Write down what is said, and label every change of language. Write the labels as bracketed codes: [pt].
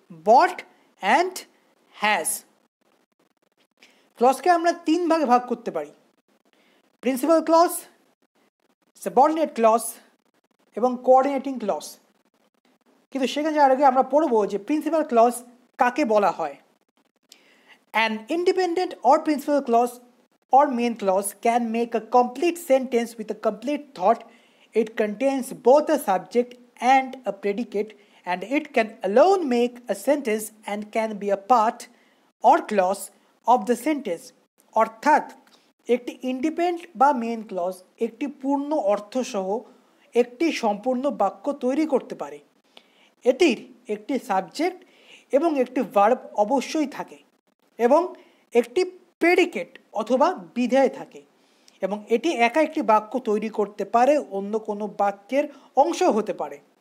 [bn] Bot and has. ক্লজকে আমরা তিন ভাগে ভাগ করতে পারি, প্রিন্সিপাল ক্লজ, সাবঅর্ডিনেট ক্লজ এবং কোঅর্ডিনেটিং ক্লজ। কিন্তু সেখানে যাওয়ার আগে আমরা পড়ব যে প্রিন্সিপাল ক্লজ কাকে বলা হয়। [en] An independent or principal clause or main clause can make a complete sentence with a complete thought. It contains both a subject and a predicate and it can alone make a sentence and can be a part or clause of the sentence. [bn] অর্থাৎ একটি independent বা main clause একটি পূর্ণ অর্থ সহ একটি সম্পূর্ণ বাক্য তৈরি করতে পারে। এটির একটি সাবজেক্ট এবং একটি ভার্ব অবশ্যই থাকে এবং একটি প্রেডিকেট অথবা বিধেয় থাকে, এবং এটি একা একটি বাক্য তৈরি করতে পারে, অন্য কোনো বাক্যের অংশ হতে পারে।